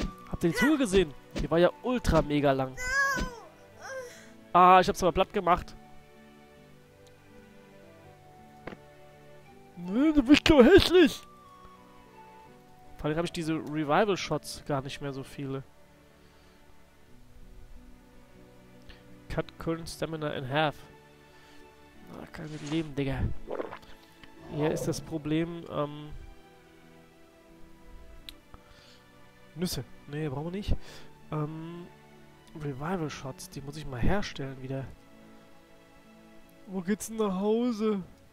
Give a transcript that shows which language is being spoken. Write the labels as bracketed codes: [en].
[de] Habt ihr die Tour gesehen? Die war ja ultra mega lang. Ah, ich hab's aber platt gemacht. Nee, du bist so hässlich. Vor allem habe ich diese Revival-Shots gar nicht mehr so viele. [en] Cut current stamina in half. [de] Na, kann ich mit leben, Digga. Hier ist das Problem, Nüsse. Nee, brauchen wir nicht. Revival Shots, die muss ich mal herstellen wieder. Wo geht's denn nach Hause?